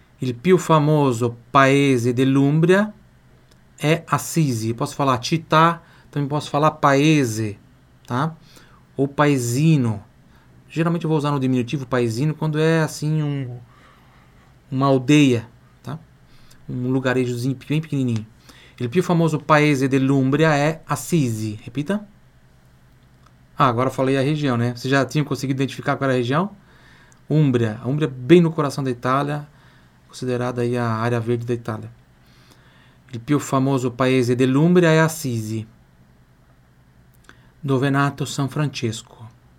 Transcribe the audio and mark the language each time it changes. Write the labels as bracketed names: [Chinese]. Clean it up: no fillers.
[Italian] Il più famoso paese dell'Umbria é Assisi. [Portuguese] Posso falar città, também posso falar paese, tá? Ou paesino. Geralmente eu vou usar no diminutivo paesino quando é assim uma aldeia, tá? Um lugarejozinho bem pequenininho. [Italian] Il più famoso paese dell'Umbria é Assisi. [Portuguese] Repita. Ah, agora eu falei a região, né? Você já tinha conseguido identificar qual era a região? Umbria. A Umbria é bem no coração da Itália, considerada aí a área verde da Itália. [Italian] Il più famoso paese dell'Umbria é Assisi. Dove è nato San Francesco.